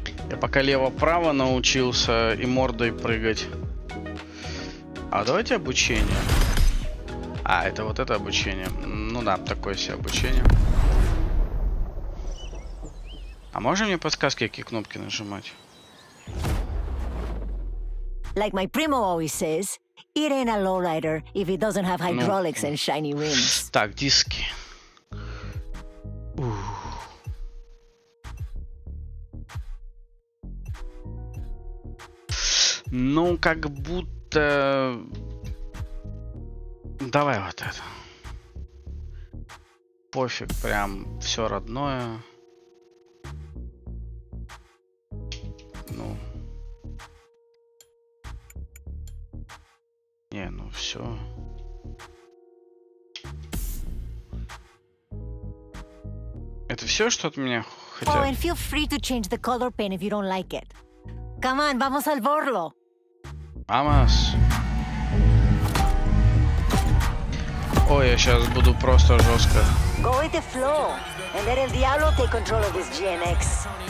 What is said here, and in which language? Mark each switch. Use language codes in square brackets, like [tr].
[ru] Я пока лево-право научился и мордой прыгать. А давайте обучение. А, это вот это обучение. Ну да, такое себе обучение. А можно мне подсказки, какие кнопки нажимать? [en] Like my primo always says, it ain't a lowrider if it doesn't have hydraulics and shiny rims. [ru] Так, диски. Ну, как будто... Давай вот это. Пофиг, прям все родное. Не, ну все. Это все, что от меня хотят? [en] Oh, and feel free to change the color pen if you don't like it. Come on, [es] vamos al borlo. Vamos. [ru] Ой, я сейчас буду просто жестко. [en] Go with the flow, and let el diablo take control of this GNX.